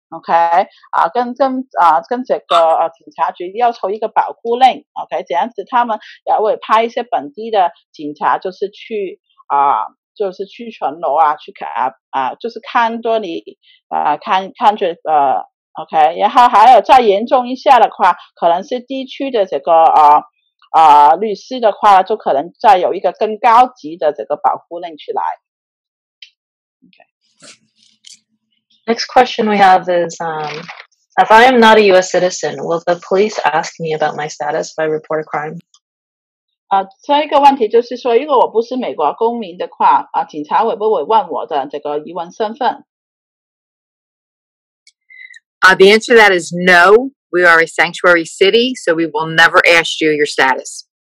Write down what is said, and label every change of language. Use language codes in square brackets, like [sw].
[zh] OK, 跟这个警察局要求一个保护令 ,OK, 这样子他们也会派一些本地的警察就是去就是去巡逻去看就是看多你看着OK, 然后还有再严重一下的话可能是地区的这个律师的话就可能再有一个更高级的这个保护令去来。OK。 [en] Next question we have is, if I am not a U.S. citizen, will the police ask me about my status if I report a crime? [zh] 下一个问题就是说, 如果我不是美国公民的话, 警察会不会问我的这个疑问身份? [en] The answer to that is no. We are a sanctuary city, so we will never ask you your status.